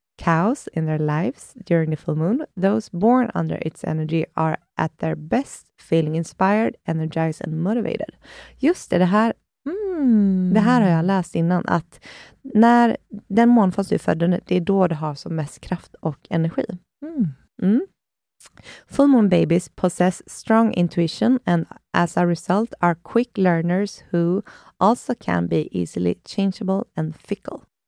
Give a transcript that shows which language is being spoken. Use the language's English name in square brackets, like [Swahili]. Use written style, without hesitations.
[English] chaos in their lives during the full moon, those born under its energy are at their best, feeling inspired, energized and motivated. [Swedish] Just det här, det här har jag läst innan, att när den månfas du är född under, det är då du har som mest kraft och energi. [English] Full moon babies possess strong intuition and as a result are quick learners who also can be easily changeable and fickle.